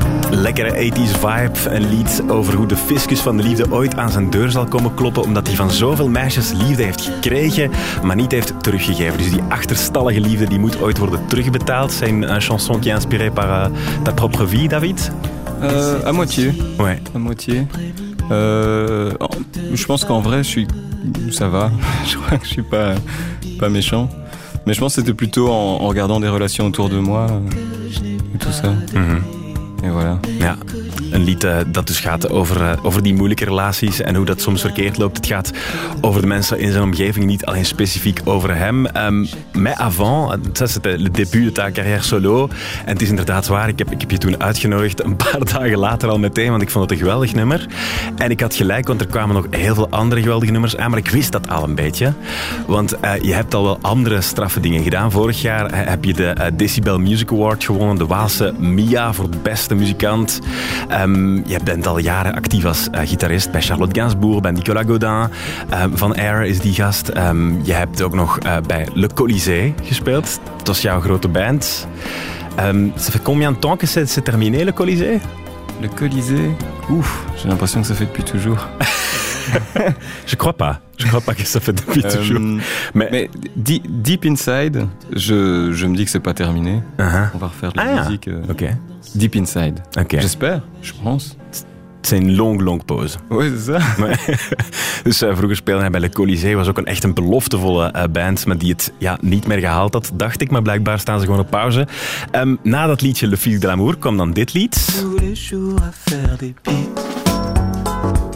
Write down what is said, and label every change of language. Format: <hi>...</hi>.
<nl>lekkere 80s vibe, een lied over hoe de fiscus van de liefde ooit aan zijn deur zal komen kloppen, omdat hij van zoveel meisjes liefde heeft gekregen, maar niet heeft teruggegeven. Dus die achterstallige liefde, die moet ooit worden terugbetaald. Zijn een</nl> <fr>chanson qui est inspiré par ta propre vie, David? À moitié. Ouais. À moitié. Je pense qu'en vrai, ça va. Je crois que je suis pas méchant. Mais je pense que c'était plutôt en regardant des relations autour de moi et tout ça. Mm-hmm. Et voilà.</fr> <nl>Ja, een lied dat dus gaat over die moeilijke relaties en hoe dat soms verkeerd loopt. Het gaat over de mensen in zijn omgeving, niet alleen specifiek over hem.</nl> <fr>Mais avant,</fr> <nl>dat is het debut</nl> <fr>de ta carrière solo.</fr> <nl>En het is inderdaad waar, ik heb je toen uitgenodigd, een paar dagen later al meteen, want ik vond het een geweldig nummer. En ik had gelijk, want er kwamen nog heel veel andere geweldige nummers aan, maar ik wist dat al een beetje. Want je hebt al wel andere straffe dingen gedaan. Vorig jaar heb je de Decibel Music Award gewonnen, de Waalse Mia voor beste muzikant. Je bent al jaren actief als gitarist bij Charlotte Gainsbourg, bij Nicolas Godin. Van Air is die gast. Je hebt ook nog bij Le Colisée gespeeld. Dat was jouw grote band.</nl> <fr>Ça fait combien de temps que c'est terminé, Le Colisée? Le Colisée? J'ai l'impression que ça fait depuis toujours. Je crois pas que ça fait depuis toujours. Mais</fr> <en>deep inside,</en> <fr>je me dis que c'est pas terminé. Uh-huh. On va refaire de la musique. Ok.</fr> <en>Deep inside. Ok.</en> <fr>J'espère, je pense. C'est une longue, longue pause. Oui, c'est ça. Mais,</fr> <nl>dus vroeger speelde hij bij Le Colisée. Was ook echt een beloftevolle band, maar die het niet meer gehaald had, dacht ik. Maar blijkbaar staan ze gewoon op pauze. Na dat liedje Le Fils de l'amour kwam dan dit lied.</nl> <fr>Tous les jours à faire des beats.</fr>